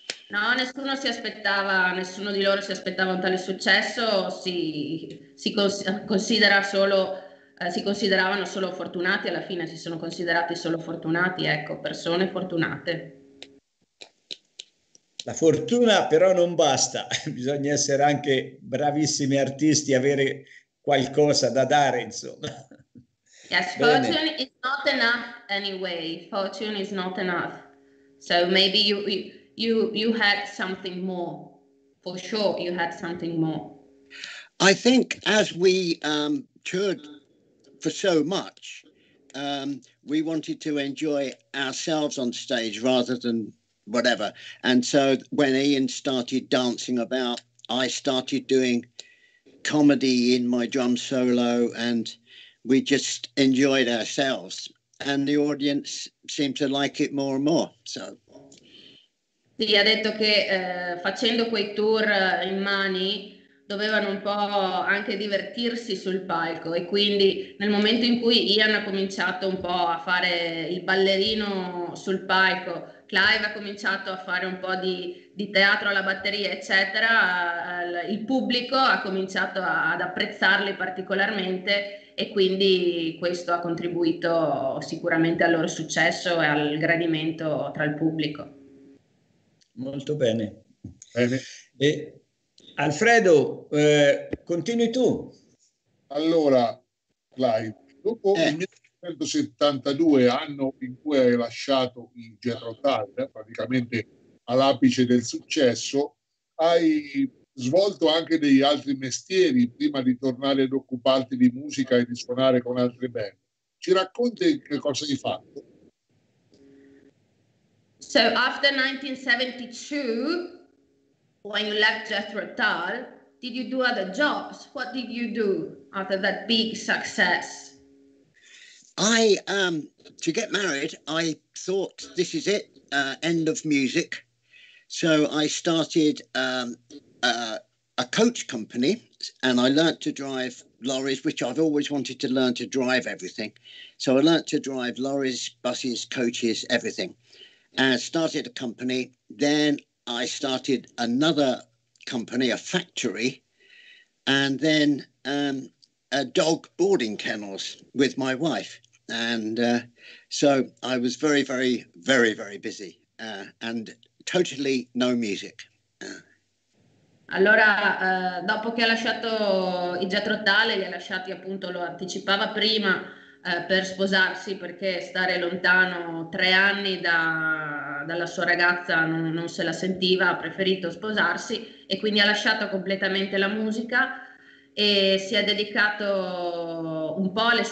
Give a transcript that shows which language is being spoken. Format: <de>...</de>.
<it>No, nessuno si aspettava, nessuno di loro si aspettava un tale successo, si consideravano solo fortunati, alla fine si sono considerati solo fortunati, ecco, persone fortunate. La fortuna però non basta, bisogna essere anche bravissimi artisti, avere qualcosa da dare, insomma.</it> <en>Yes, fortune is not enough anyway, fortune is not enough, so maybe you had something more, for sure you had something more. I think as we toured for so much, we wanted to enjoy ourselves on stage rather than whatever. And so when Ian started dancing about, I started doing comedy in my drum solo, and we just enjoyed ourselves. And the audience seemed to like it more and more, so... Sì, ha detto che facendo quei tour in mani dovevano un po' anche divertirsi sul palco, e quindi nel momento in cui Ian ha cominciato un po' a fare il ballerino sul palco, Clive ha cominciato a fare un po' di teatro alla batteria, eccetera, il pubblico ha cominciato ad apprezzarli particolarmente, e quindi questo ha contribuito sicuramente al loro successo e al gradimento tra il pubblico.</en> <it>Molto bene. E Alfredo, continui tu. Allora, Clive, dopo il 1972, anno in cui hai lasciato il Jethro Tull, praticamente all'apice del successo, hai svolto anche degli altri mestieri prima di tornare ad occuparti di musica e di suonare con altre band. Ci racconti che cosa hai fatto?</it> <en>So after 1972, when you left Jethro Tull, did you do other jobs? What did you do after that big success? I to get married, I thought this is it, end of music. So I started a coach company, and I learned to drive lorries, which I've always wanted to learn to drive everything. So I learned to drive lorries, buses, coaches, everything. And started a company. Then I started another company, a factory, and then a dog boarding kennels with my wife. And so I was very, very, very, very busy and totally no music.</en> <it>Allora, dopo che ha lasciato i Jethro Tull, li ha lasciati appunto, lo anticipava prima, per sposarsi, perché stare lontano 3 anni dalla sua ragazza non se la sentiva, ha preferito sposarsi e quindi ha lasciato completamente la musica e si è dedicato un po'</it>